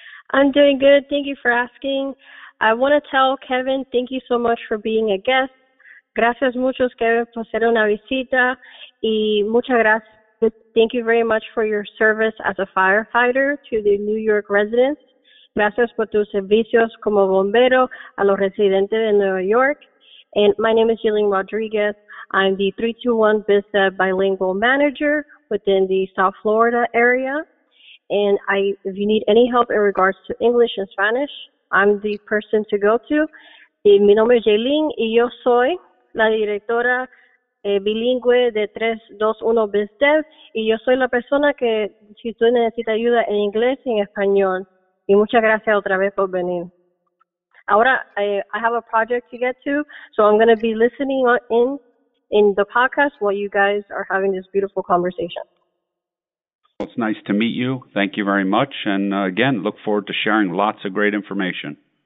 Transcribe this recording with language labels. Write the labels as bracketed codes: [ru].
[en] I'm doing good. Thank you for asking. I want to tell Kevin, thank you so much for being a guest. [es] Gracias mucho, Kevin, por ser una visita. Y muchas gracias. [en] Thank you very much for your service as a firefighter to the New York residents. [es] Gracias por tus servicios como bombero a los residentes de Nueva York. [en] And my name is Jaylene Rodriguez. I'm the 321 BizDev bilingual manager within the South Florida area. And if you need any help in regards to English and Spanish, I'm the person to go to. [es] Y mi nombre es Jaylene y yo soy la directora bilingüe de 321 BizDev. Y yo soy la persona que si tú necesitas ayuda en inglés y en español. Y muchas gracias otra vez por venir. [en] Ahora, I have a project to get to, so I'm going to be listening in the podcast while you guys are having this beautiful conversation. Well, it's nice to meet you. Thank you very much. And again, look forward to sharing lots of great information.